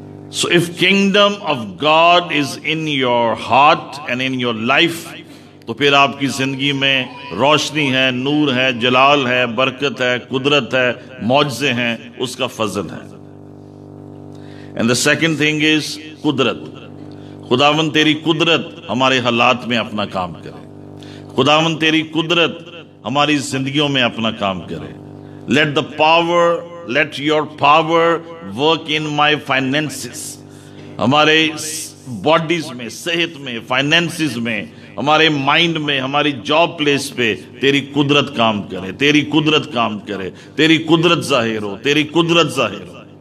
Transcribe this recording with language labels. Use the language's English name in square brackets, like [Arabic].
[English] so if kingdom of God is in your heart and in your life, [Urdu] تو پھر آپ کی زندگی میں روشنی ہے، نور ہے، جلال ہے، برکت ہے، قدرت ہے، معجزے ہیں، اس کا فضل ہے. [English] And the second thing is قدرت. [Urdu] خداوند تیری قدرت ہمارے حالات میں اپنا کام کرے، خداوند تیری قدرت ہماری زندگیوں میں اپنا کام کرے. [English] let the power, let your power work in my finances, [Urdu] ہمارے باڈیز میں، صحت میں، فائنینسز میں، ہمارے مائنڈ میں، ہماری جاب پلیس پہ تیری قدرت کام کرے، تیری قدرت کام کرے، تیری قدرت ظاہر ہو، تیری قدرت ظاہر ہو.